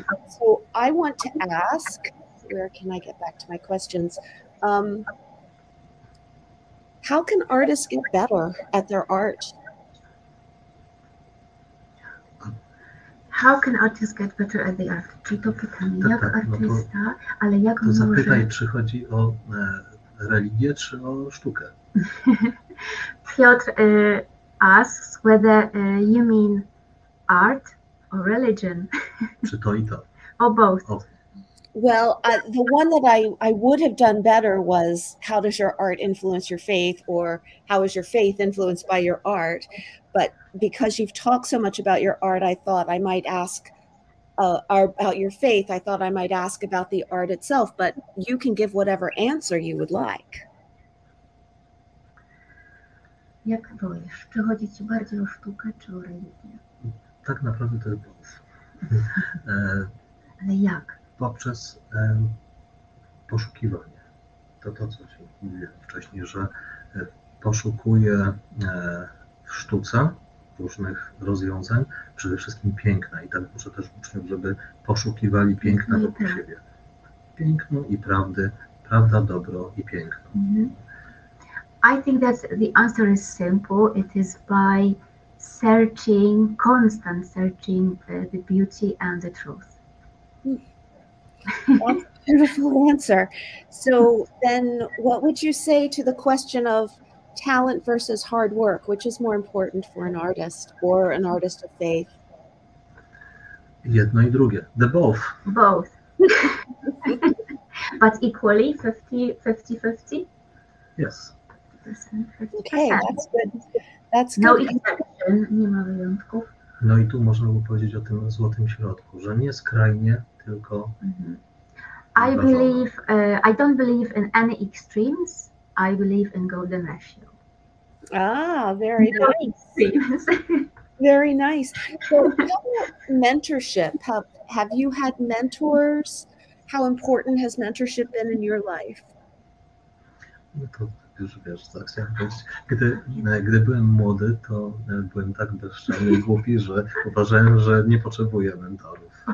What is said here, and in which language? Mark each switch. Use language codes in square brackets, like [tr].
[en] So I want to ask, where can I get back to my questions? How can artists get better at their art? How can artists get better at the art? [pl] Czy to pytanie, jak artysta, ale jak to może... To zapytaj, czy chodzi o religię, czy o sztukę? [en] Piotr asks whether you mean art or religion. [pl] Czy to i to? [en] Or both. Well, the one that I would have done better was how does your art influence your faith, or how is your faith influenced by your art? But because you've talked so much about your art, I thought I might ask about your faith. I thought I might ask about the art itself, but you can give whatever answer you would like. [pl] Jak wolisz? Czy chodzi ci bardziej o sztukę, czy o religię? Tak naprawdę to jest both. Ale jak? Poprzez poszukiwanie. To, co się mówiłem wcześniej, że poszukuję w sztuce różnych rozwiązań, przede wszystkim piękna. I tak muszę też uczniów, żeby poszukiwali piękna wokół siebie. Piękno i prawdy, prawda, dobro i piękno. [en] I think that the answer is simple. It is by searching, constant searching the beauty and the truth. That's a beautiful answer. So then what would you say to the question of talent versus hard work, which is more important for an artist or an artist of faith? [pl] Jedno i drugie. [en] The both. Both. But equally, 50-50? Yes. Okay, that's good. That's good. No exception, [pl] nie ma wyjątków. No i tu można by powiedzieć o tym złotym środku, że nie skrajnie, tylko... [en] I don't believe in any extremes. I believe in golden ratio. Ah, very nice. Very nice. So, how about mentorship? Have you had mentors? How important has mentorship been in your life? [pl] No to już wiesz, co chciałem powiedzieć. Gdy byłem młody, to byłem tak bezczelny i głupi, że uważałem, że nie potrzebuję mentorów.